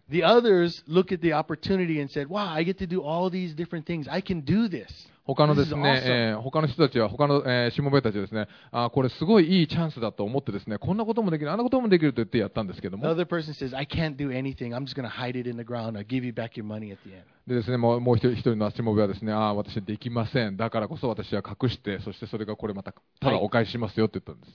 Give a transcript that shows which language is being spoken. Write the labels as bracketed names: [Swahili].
[English] The others look at the opportunity and said, wow, I get to do all these different things. I can do this. [Japanese] 他のですね、他の人たちは、他のしもべたちはですね、あ、これすごいいいチャンスだと思ってですね、こんなこともできる、あんなこともできると言ってやったんですけども。 [English] Another person says, I can't do anything. I'm just going to hide it in the ground. I'll give you back your money at the end. [Japanese] でですね、もう一人のしもべはですね、あ、私できません。だからこそ私は隠して、そしてそれがこれまた、ただお返ししますよって言ったんです。